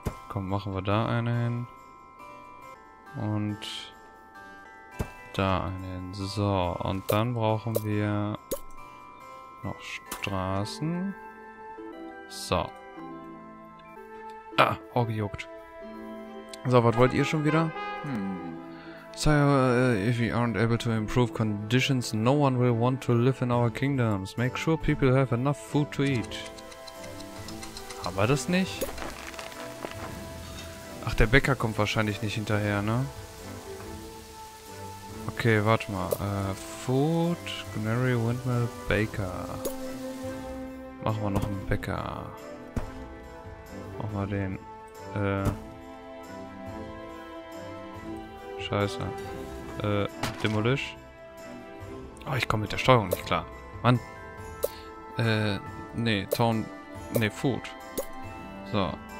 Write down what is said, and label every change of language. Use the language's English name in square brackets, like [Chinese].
[German] Komm, machen wir da eine hin. Und da eine hin. So, und dann brauchen wir noch Straßen. So. Ah, Auge juckt. So, was wollt ihr schon wieder? [English] Sire, if we aren't able to improve conditions, no one will want to live in our kingdoms. Make sure people have enough food to eat. [German] Haben wir das nicht? Ach, der Bäcker kommt wahrscheinlich nicht hinterher, ne? Okay, warte mal. [English] Food, Canary, Windmill, Baker. [German] Machen wir noch einen Bäcker. Machen wir den. Scheiße. Demolish. Oh, ich komme mit der Steuerung nicht klar. Mann. Food. So.